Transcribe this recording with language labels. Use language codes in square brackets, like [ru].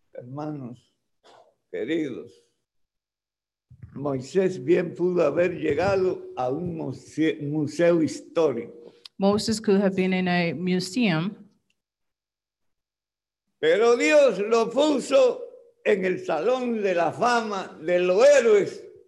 [es] Hermanos, queridos, Moisés bien pudo haber llegado a un museo histórico. [en] Moses could have been in a museum. [es] Pero Dios lo puso en el salón de la fama de los héroes.